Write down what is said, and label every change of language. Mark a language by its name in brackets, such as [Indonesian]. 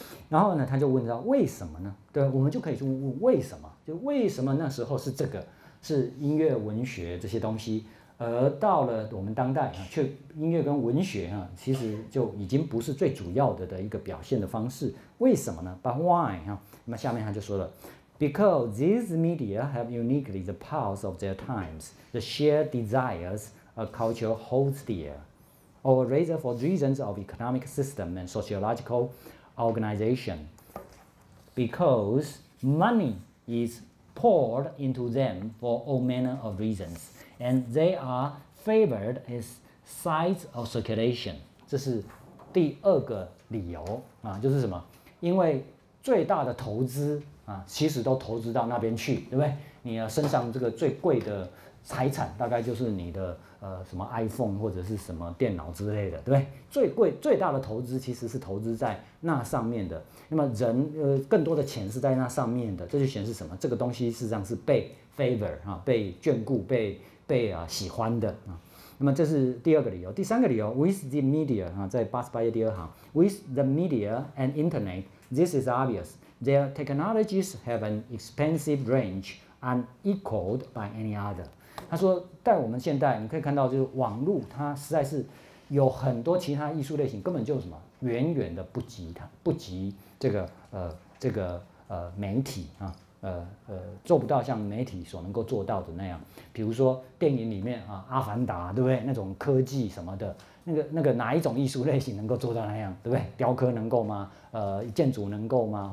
[Chinese] 然后呢，他就问到为什么呢？对，我们就可以去问为什么，就为什么那时候是这个是音乐文学这些东西。而到了我们当代啊，却音乐跟文学啊，其实就已经不是最主要的一个表现的方式。为什么呢 ？ [English] But why [Chinese] 哈？那么下面他就说了 [English] ，Because these media have uniquely the pulse of their times, the shared desires a culture holds dear, or rather for reasons of economic system and sociological organization. Because money is poured into them for all manner of reasons. And they are favored as sites of circulation. [Chinese] 这是第二个理由啊，就是什么？因为最大的投资啊，其实都投资到那边去，对不对？你身上这个最贵的财产，大概就是你的什么 iPhone 或者是什么电脑之类的，对不对？最贵最大的投资其实是投资在那上面的。那么人更多的钱是在那上面的，这就显示什么？这个东西事实上是被 favor 啊，被眷顾，被喜欢的、啊、那么这是第二个理由。第三个理由 ， [English] with the media、 [Chinese] 啊、在88页第二行 ， [English] with the media and internet, this is obvious. Their technologies have an expansive range unequaled by any other. [Chinese] 他说，在我们现代，你可以看到，就是网络它实在是有很多其他艺术类型，根本就什么远远的不及它，不及这个媒体、啊做不到像媒体所能够做到的那样，比如说电影里面啊，《阿凡达》对不对？那种科技什么的，那个哪一种艺术类型能够做到那样，对不对？雕刻能够吗？建筑能够吗？